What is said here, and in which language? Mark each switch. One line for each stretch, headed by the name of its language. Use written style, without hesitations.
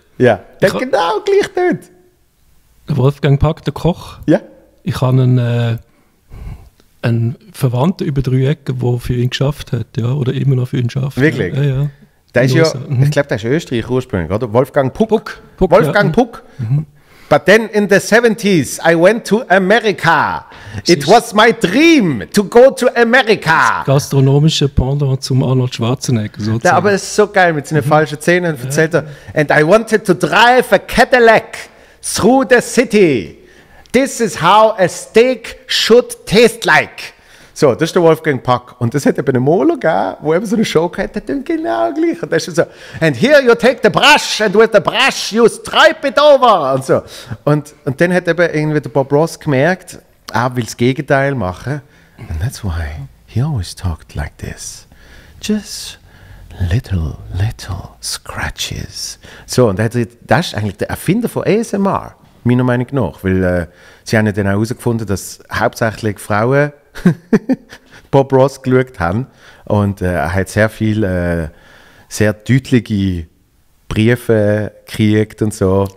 German: Ja, der genau gleich tönt. Wolfgang Puck, der Koch? Ja. Ich habe einen Verwandten über 3 Ecken, der für ihn geschafft hat, ja. Oder immer noch für ihn schafft. Wirklich? Ja, ja. Der ist ja, ich glaube, der ist Österreich ursprünglich, oder? Wolfgang Puck. Puck.
English: But then in the 70s, I went to America. It was my dream to go to America.
German: Das gastronomische Pendant zum Arnold Schwarzenegger. Sozusagen. Aber es ist so geil mit seinen falschen Zähnen. Erzählt er.
English: And I wanted to drive a Cadillac through the city. This is how a steak should taste like.
German: So, das ist der Wolfgang Puck. Und das hat eben einen Moler gegeben, wo eben so eine Show gehabt hat, der genau gleich. Und das ist so,
English: and here you take the brush, and with the brush you stripe it over.
German: Und so. Und dann hat eben irgendwie der Bob Ross gemerkt, er will das Gegenteil machen.
English: And that's why he always talked like this. Just little scratches.
German: So, und das ist eigentlich der Erfinder von ASMR, meiner Meinung nach. Weil sie haben dann auch herausgefunden, dass hauptsächlich Frauen Bob Ross geschaut haben und er hat sehr viel sehr deutliche Briefe gekriegt und so.